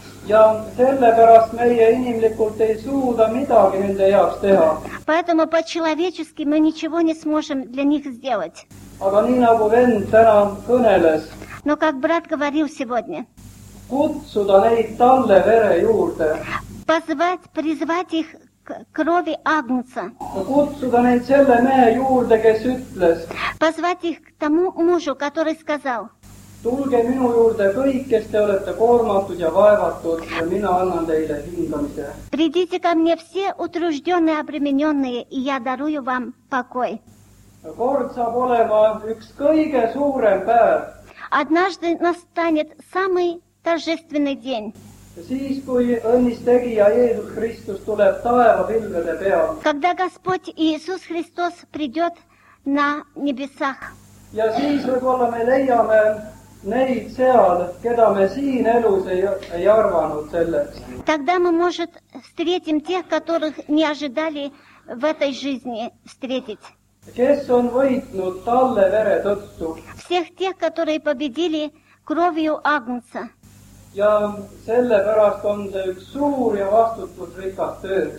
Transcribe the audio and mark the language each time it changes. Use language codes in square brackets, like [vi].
[et] Ja sellepärast meie inimlikult ei suuda midagi nende jaoks teha. [ru] Поэтому по-человечески мы ничего не сможем для них сделать. [et] Aga nii nagu vend täna kõneles. [ru] Но как брат говорил сегодня. [et] Kutsuda neid talle vere juurde. [ru] Призвать их к крови Агнца. [et] Kutsuda neid selle mehe juurde, kes ütles. [ru] Позвать их к тому мужу, который сказал. [et] Tulge minu juurde kõik, kes te olete koormatud ja vaevatud, ja mina annan teile hingamise. [ru] Придите ко мне все утруждённые, обременённые, и я дарую вам покой. [et] Kord saab olema üks kõige suurem päev. [ru] Однажды настанет самый торжественный день. [et] Siis, kui õnnistegija Jeesus Kristus tuleb taeva pilvede peal. [ru] Когда Господь Иисус Христос придёт на небесах. [et] Ja siis võib-olla me leiame... Neid seal, keda me siin elus ei arvanud selleks. [ru] Тогда мы, может, встретим тех, которых не ожидали в этой жизни встретить. [et] Kes on võitnud talle vere tõttu. [ru] Всех тех, которые победили кровью Агнца. [et] Ja selle pärast on see üks suur ja vastutusrikas töö.